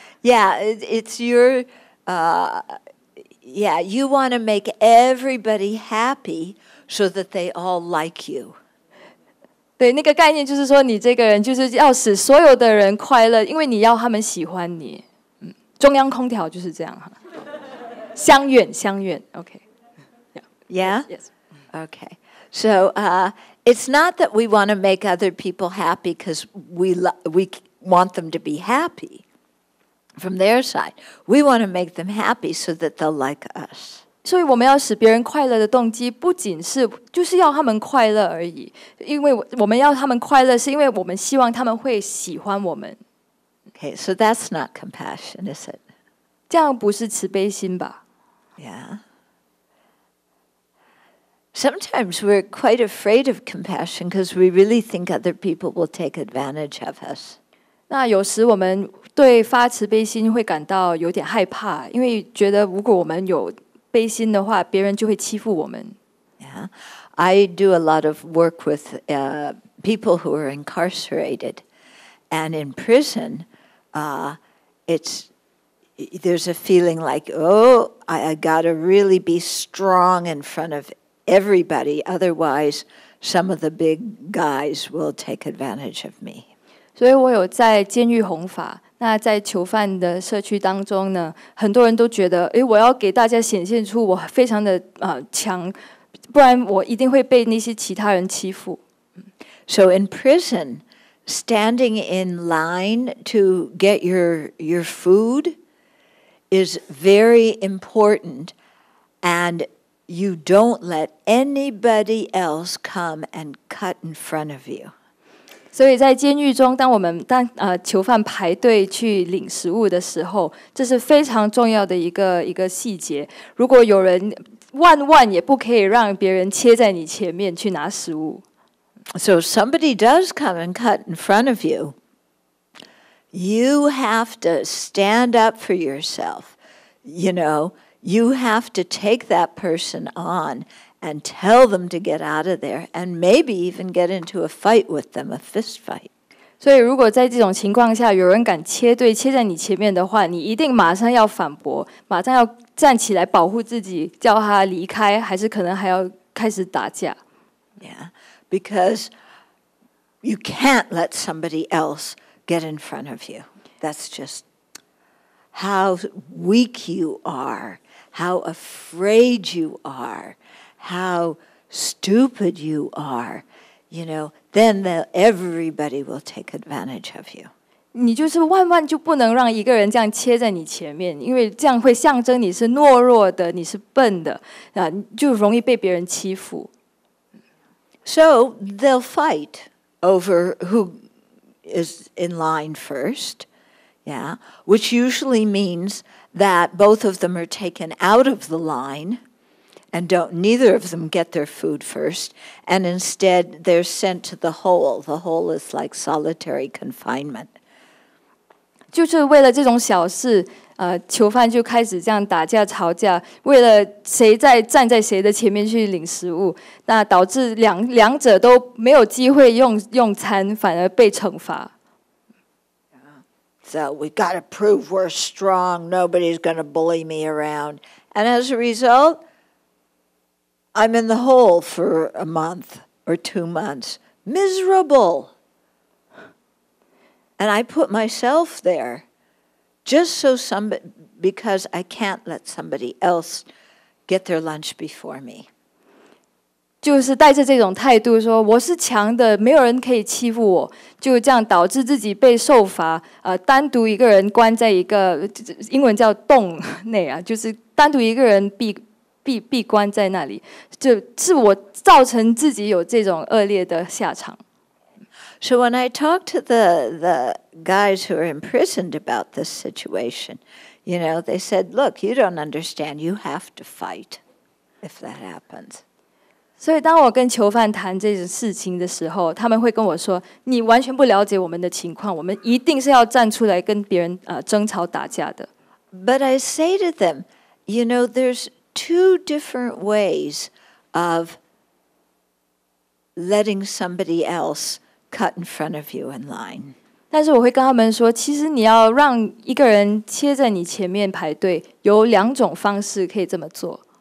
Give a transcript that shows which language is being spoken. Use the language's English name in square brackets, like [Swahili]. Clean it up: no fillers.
[English] Yeah, it's your, you want to make everybody happy so that they all like you. [Chinese] 对，那个概念就是说，你这个人就是要使所有的人快乐，因为你要他们喜欢你。中央空调就是这样哈，相愿 ，OK， [English] yeah. Yeah, yes, okay. So, it's not that we want to make other people happy because we want them to be happy from their side. We want to make them happy so that they'll like us. [Chinese] 所以我们要使别人快乐的动机不仅是就是要他们快乐而已，因为我们要他们快乐，是因为我们希望他们会喜欢我们。 [English] Okay, so that's not compassion, is it? [Chinese] 这样不是慈悲心吧? [English] Yeah. Sometimes we're quite afraid of compassion because we really think other people will take advantage of us. [Chinese] 那有时我们对发慈悲心会感到有点害怕，因为觉得如果我们有悲心的话，别人就会欺负我们。 [English] Yeah. I do a lot of work with people who are incarcerated and in prison. There's a feeling like, I gotta really be strong in front of everybody, otherwise some of the big guys will take advantage of me. [Chinese] 所以我有在监狱弘法，那在囚犯的社区当中呢，很多人都觉得，我要给大家显现出我非常的强，不然我一定会被那些其他人欺负。 [English] So in prison... Standing in line to get your food is very important, and you don't let anybody else come and cut in front of you. [Chinese] 所以在监狱中，当我们当囚犯排队去领食物的时候，这是非常重要的一个细节。如果有人万万也不可以让别人切在你前面去拿食物。 [English] So if somebody does come and cut in front of you, you have to stand up for yourself. You know, you have to take that person on and tell them to get out of there and maybe even get into a fight with them, a fist fight. [Chinese] 所以如果在这种情况下有人敢切队切在你前面的话，你一定马上要反驳，马上要站起来保护自己，叫他离开，还是可能还要开始打架。 [English] Yeah. Because you can't let somebody else get in front of you. That's just how weak you are, how afraid you are, how stupid you are. You know, then everybody will take advantage of you. [Chinese] 你就是万万就不能让一个人这样切在你前面，因为这样会象征你是懦弱的，你是笨的，就容易被别人欺负。 [English] So they'll fight over who is in line first, yeah, which usually means that both of them are taken out of the line and don't neither of them get their food first, and instead they're sent to the hole. The hole is like solitary confinement. [Chinese] 就是为了这种小事，囚犯就开始这样打架吵架，为了谁在站在谁的前面去领食物，那导致两者都没有机会用餐，反而被惩罚。 [English] So we got to prove we're strong. Nobody's going to bully me around. And as a result, I'm in the hole for a month or 2 months. Miserable. And I put myself there just so somebody, because I can't let somebody else get their lunch before me. [Chinese] 就是带着这种态度说我是强的，没有人可以欺负我，就这样导致自己被受罚，单独一个人关在一个英文叫洞内啊，就是单独一个人闭关在那里，就是我造成自己有这种恶劣的下场。 [English] So when I talk to the guys who are imprisoned about this situation, you know, they said, look, you don't understand, you have to fight if that happens. [Chinese] 所以当我跟囚犯谈这件事情的时候，他们会跟我说，你完全不了解我们的情况，我们一定是要站出来跟别人争吵打架的。 [English] But I say to them, you know, there's two different ways of letting somebody else cut in front of you in line. [Chinese] 但是我会跟他们说，其实你要让一个人切在你前面排队，有两种方式可以这么做。